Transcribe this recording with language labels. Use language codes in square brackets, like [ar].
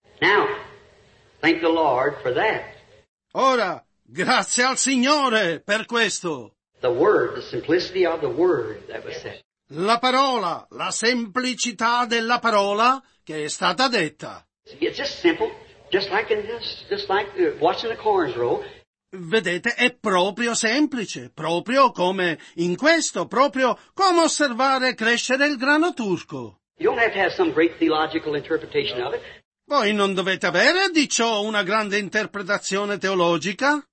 [en] Now, thank the Lord for that. [it] Ora, grazie al Signore per questo. [en] The word, the simplicity of the word that was said. [it] La parola, la semplicità della parola che è stata detta. [en] See, it's just simple, just like watching the corns roll. [it] Vedete, è proprio semplice, proprio come in questo, proprio come osservare crescere il grano turco. [en] You don't have to have some great theological interpretation of it. [it] Voi non dovete avere di ciò una grande interpretazione teologica.